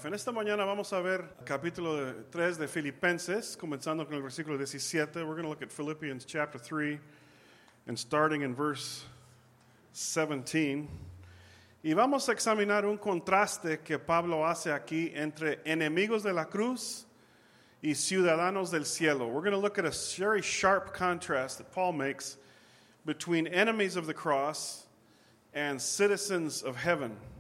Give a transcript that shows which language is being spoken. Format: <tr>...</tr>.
<es>En esta mañana vamos a ver capítulo 3 de Filipenses, comenzando con el versículo 17.</es> <en>We're going to look at Philippians chapter 3 and starting in verse 17.</en> <es>Y vamos a examinar un contraste que Pablo hace aquí entre enemigos de la cruz y ciudadanos del cielo.</es> <en>We're going to look at a very sharp contrast that Paul makes between enemies of the cross and citizens of heaven.</en>